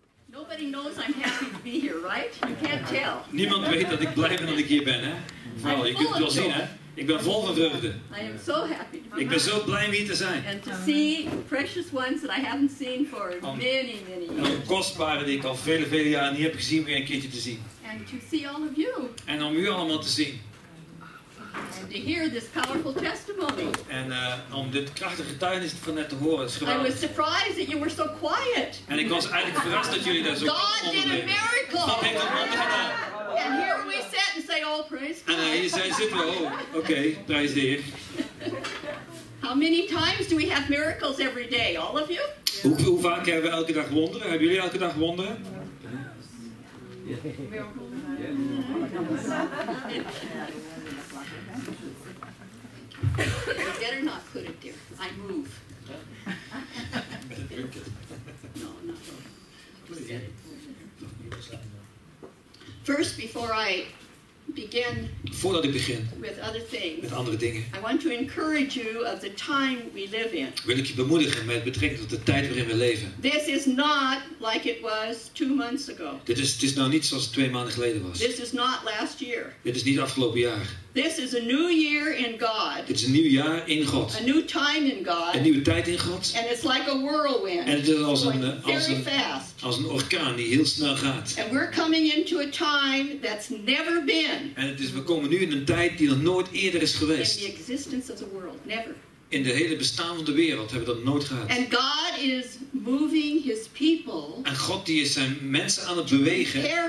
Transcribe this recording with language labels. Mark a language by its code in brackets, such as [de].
[en] Nobody knows I'm happy to be here, right? You can't tell. [nl] Niemand weet dat ik blij ben dat ik hier ben, hè? Vrouw, je kunt het wel zien, hè? Ik ben vol van vreugde. [en] I am so happy to be [nl] here. Ik ben zo blij om hier te zijn. [en] And to see precious ones that I haven't seen for many, many years. [nl] En kostbare die ik al vele, vele jaren niet heb gezien, weer een keertje te zien. [en] And to see all of you. [nl] En om u allemaal te zien. [en] And to hear this powerful testimony. [nl] En om dit krachtige getuigenis van net te horen, is geweldig. [en] I was surprised that you were so quiet. [nl] En ik was eigenlijk verrast dat jullie daar zo onderdeden. God heeft een wonder gedaan. [en] And here we sit and say, oh, praise God. [nl] En hier zijn zitten, oh, okay, prijs de Heer. [en] How many times do we have miracles every day, all of you? Yeah. [nl] Hoe vaak hebben we elke dag wonderen? Hebben jullie elke dag wonderen? [en] You better not put it there. I move. No, not really. First, before I begin, [nl] voordat ik begin [en] with other things, [nl] met andere dingen, [en] I want to encourage you of the time we live in. [nl] Wil ik je bemoedigen met betrekking tot de tijd waarin we leven. [en] This is not like it was 2 months ago. [nl] Dit is nou niet zoals het 2 maanden geleden was. [en] This is not last year. [nl] Dit is niet afgelopen jaar. [en] This is a new year in God. [nl] Dit is een nieuw jaar in God. [en] A new time in God. [nl] Een nieuwe tijd in God. [en] And it's like a whirlwind. [nl] En het is als een als een orkaan die heel snel gaat. [en] And we're coming into a time that's never been. [nl] En het is, we komen nu in een tijd die nog nooit eerder is geweest. [en] In the existence of the world, never. [nl] In de hele bestaan van de wereld hebben we dat nooit gehad. [en] And God is moving his people. [nl] En God die is zijn mensen aan het bewegen.